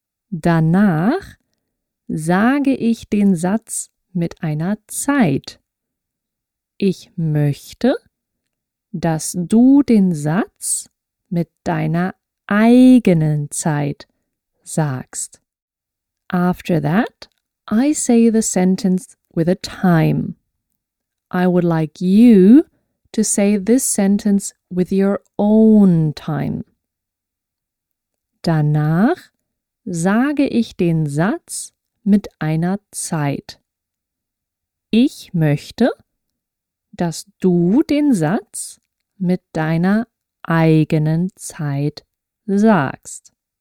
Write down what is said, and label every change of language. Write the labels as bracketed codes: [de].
[de] Danach sage ich den Satz mit einer Zeit. Ich möchte, dass du den Satz mit deiner eigenen Zeit sagst. [en] After that, I say the sentence with a time. I would like you to say this sentence with your own time. [de] Danach sage ich den Satz mit einer Zeit. Ich möchte, dass du den Satz mit deiner eigenen Zeit sagst.